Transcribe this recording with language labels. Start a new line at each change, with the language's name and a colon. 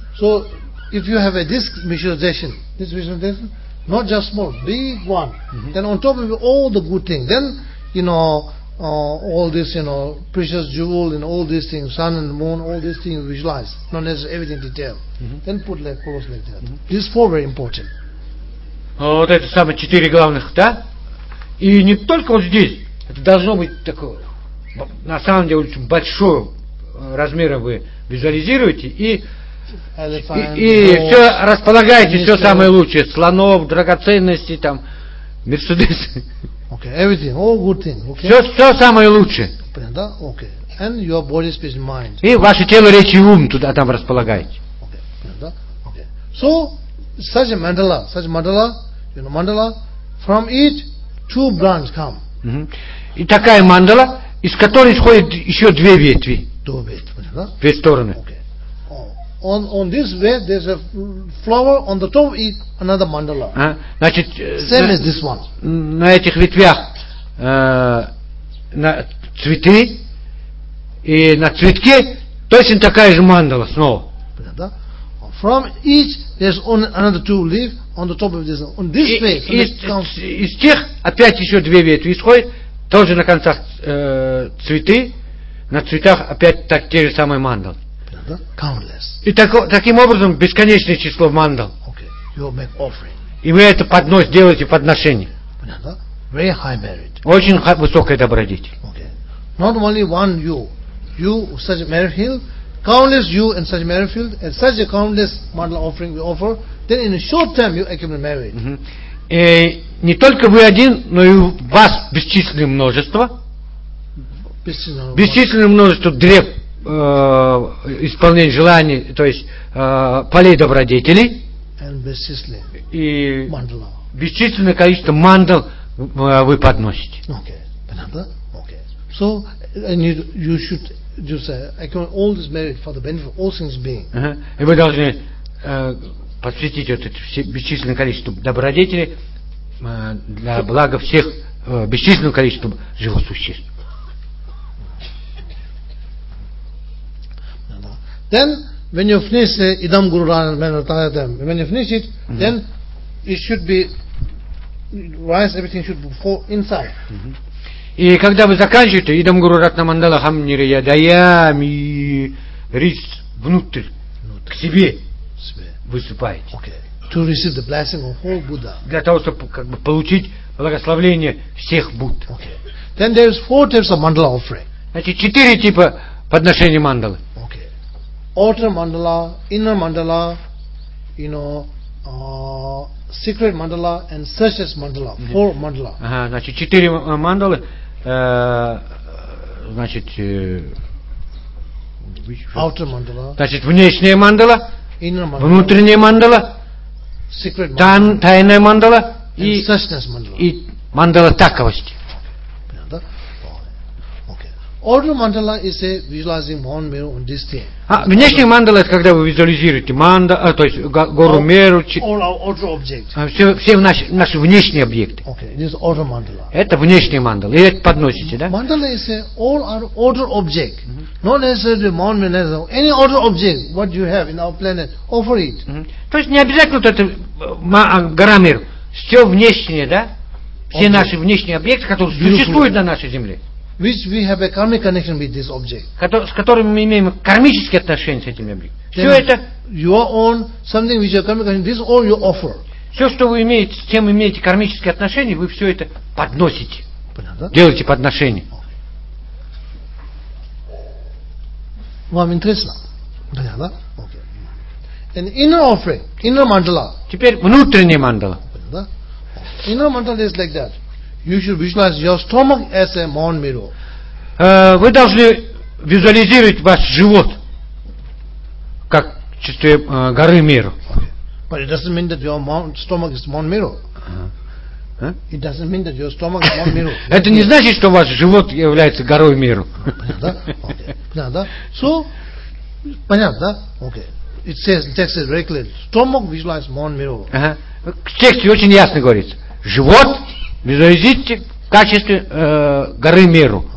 English: So if you have a disc visualization, not just small, big one, mm-hmm. then on top of all the good things, then you know all this, you know, precious jewel and all these things, sun and moon, all these things visualize, not necessarily everything detail. Mm-hmm. Then put like close like that. Mm-hmm. These four very important.
Russian: Вот это самые четыре главных, да? И не только вот здесь. Это должно быть такое. На самом деле очень большой размер вы визуализируете и все располагаете, все самое лучшее, слонов, драгоценности, там, Мерседес.
English: Okay, everything, all good thing. Okay.
Russian: Все самое лучшее.
English: Да, okay. And your body, speech, mind.
Russian: И ваше тело, речь и ум туда там располагаете.
English: Okay, да, okay. So such mandala, you know, mandala, from it two branches come.
Russian: И такая мандала, из которой исходят еще две ветви. Две стороны.
English: Okay. On this way there's a flower on the top is another mandala.
Russian: Значит,
English: same as this one.
Russian: На этих ветвях на цветы и на цветке точно такая же мандала снова. Да?
English: From each there's on another two leaf on the top of this. On this way
Russian: из тех опять еще две ветви исходят тоже на концах цветы на цветах опять так те же самые мандалы.
English: Countless.
Russian: И таким образом бесконечное число мандал.
English: Okay. You make offering.
Russian: И вы это делаете подношение.
English: Понятно? Very high merit.
Russian: Очень высокая добродетель.
English: Okay. Not only one you. You such merit field, countless you and such merit field, and such a countless mandal offering we offer, then in a short time you accumulate merit.
Russian: И не только вы один, но и вас бесчисленное множество. Бесчисленное множество древ. Исполнение желаний, то есть полей добродетелей и бесчисленное количество мандал, вы подносите.
English: Okay. Понятно? Okay. So and you should just say, I can all this merit for the benefit of all things being.
Russian: И вы должны посвятить вот это все бесчисленное количество добродетели для блага всех бесчисленного количества живых существ.
English: Then when you finish idam guru ranam, when you finish it, then it should be rice, everything should be fall inside.
Russian: И когда вы заканчиваете идам гуру ратнам мандала хамнири ядаями, рис внутрь, к себе высыпаете.
English: Okay. To receive the blessing of all Buddha.
Russian: Для того, чтобы как бы получить благословение всех Будд.
English: Okay. Then there is four types of mandala offering.
Russian: Значит, четыре типа подношения мандалы.
English: Okay. Outer mandala, inner mandala, you know, secret mandala and searches mandala. Four mandala.
Russian: Ага, значит, четыре мандалы. Значит,
English: outer mandala.
Russian: Значит, внешняя мандала.
English: Mandala,
Russian: внутренняя мандала,
English: mandala,
Russian: тайная мандала и мандала таковости.
English: Okay. Mandala is a visualizing one Meru on this thing.
Russian: Внешняя мандала это когда вы визуализируете мандала, то есть гору Меру.
English: All our outer objects.
Russian: Все наши внешние объекты.
English: Okay. This outer mandala.
Russian: Это внешняя мандала. И это подносите, да?
English: Mandala is a all our outer object. Not necessarily Mount Manasa, any other object what you have in our planet, offer it.
Russian: То есть не обязательно вот это гора Меру. Все внешнее, да? Все наши внешние объекты, которые существуют на нашей земле.
English: Which we have a karmic connection with this object.
Russian: С которыми мы имеем кармические отношения с этими объектами. Все это
English: your own something which is karmic connection. This all you offer.
Russian: Все, что вы имеете, с чем имеете кармические отношения, вы все это подносите. Понятно? Делаете подношение. Вам интересно? Понятно?
English: Okay. And inner offering, inner mandala.
Russian: Теперь внутренняя мандала.
English: Понятно? Inner mandala is like that. You should visualize your stomach as a mount Meru.
Russian: Вы должны визуализировать ваш живот как чистое горы Меру.
English: Okay. But it doesn't mean that your stomach is mount Meru. It doesn't mean that your stomach is mount Meru.
Russian: Это не значит, что ваш живот является горой Меру.
English: Понятно? So, понятно? Okay. It says, the text says very clearly, stomach visualizes mount Meru.
Russian: В тексте очень ясно говорится. Живот визуализируйте в качестве горы Меру.